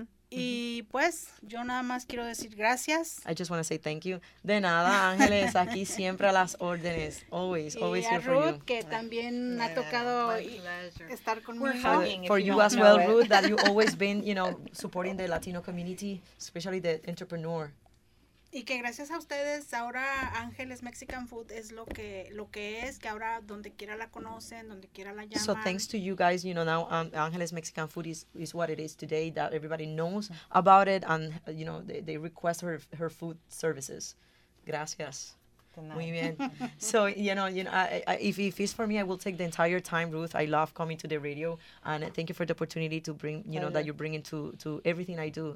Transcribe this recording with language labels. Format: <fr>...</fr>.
<es>Y pues, yo nada más quiero decir gracias.</es> <en>I just want to say thank you.</en> <es>De nada, Ángeles, aquí siempre a las órdenes.</es> <en>Always here Ruth, for you.</en> <es>Y a Ruth, que también ha tocado estar conmigo.</es> <en>For you as well, Ruth, that you've always been, you know, supporting the Latino community, especially the entrepreneur.</en> <es>Y que gracias a ustedes, ahora Ángeles Mexican Food es lo que es, que ahora donde quiera la conocen, donde quiera la llaman.</es> <en>So thanks to you guys, you know, now Ángeles Mexican Food is what it is today, that everybody knows about it, and, you know, they request her food services.</en> <es>Gracias.</es> <en>Tonight.</en> <es>Muy bien.</es> <en>So, you know, if it's for me, I will take the entire time, Ruth. I love coming to the radio, and thank you for the opportunity to bring, you know, that you bring into everything I do.</en>